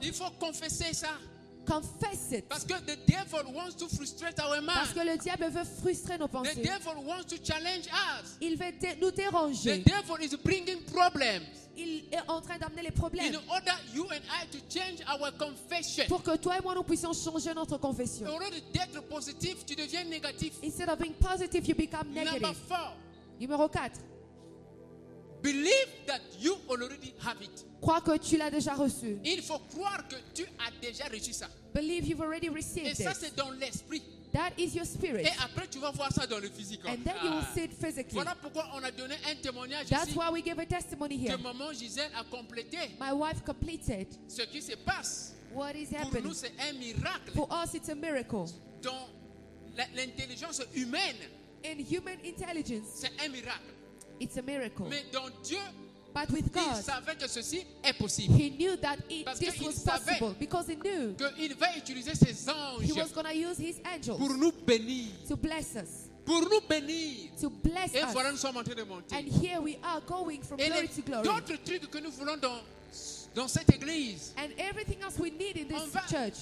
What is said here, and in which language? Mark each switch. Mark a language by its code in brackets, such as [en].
[fr] Il faut confesser ça. [en] Confess it. [fr] Parce que [en] the devil wants to frustrate our mind. [fr] Parce que le diable veut frustrer nos pensées. [en] The devil wants to challenge us. [fr] Il veut nous déranger. [en] The devil is bringing problems. [fr] Il est en train d'amener les problèmes. [en] In order you and I to change our confession. [fr] Pour que toi et moi nous puissions changer notre confession. Au lieu d'être positif, tu deviens négatif. [en] Instead of being positive, you become negative. Number 4. [fr] Numéro 4. [en] Believe that you already have it. [fr] Crois que tu l'as déjà reçu. Il faut croire que tu as déjà reçu ça. [en] Believe you've already received [fr] Et ça, [en] it. [fr] C'est dans l'esprit. [en] That is your spirit. [fr] Et après, tu vas voir ça dans le physique. [en] And then you will see it physically. [fr] Voilà pourquoi on a donné un témoignage. [en] That's [fr] ici [en] why we give a testimony here. [fr] Que maman Gisèle a complété. [en] My wife completed. [fr] Ce qui se passe. [en] What is happening? [fr] Pour nous, c'est un miracle. [en] For us, it's a miracle. [fr] Dans l'intelligence humaine. [en] In human intelligence. [fr] C'est un miracle. [en] It's a miracle. [fr] Mais dans Dieu. [en] But with God, [fr] il savait que ceci est possible. [en] He knew that this was possible because he knew [fr] qu'il va utiliser ses anges, [en] he was going to use his angels [fr] pour nous bénir, [en] to bless us. [fr] Pour nous bénir. [en] To bless [fr] et [en] us. [fr] Voilà, nous sommes en train de monter. [en] And here we are going from [fr] et [en] glory to glory. [fr] D'autres trucs que nous voulons dans cette église, [en] and everything else we need in this church,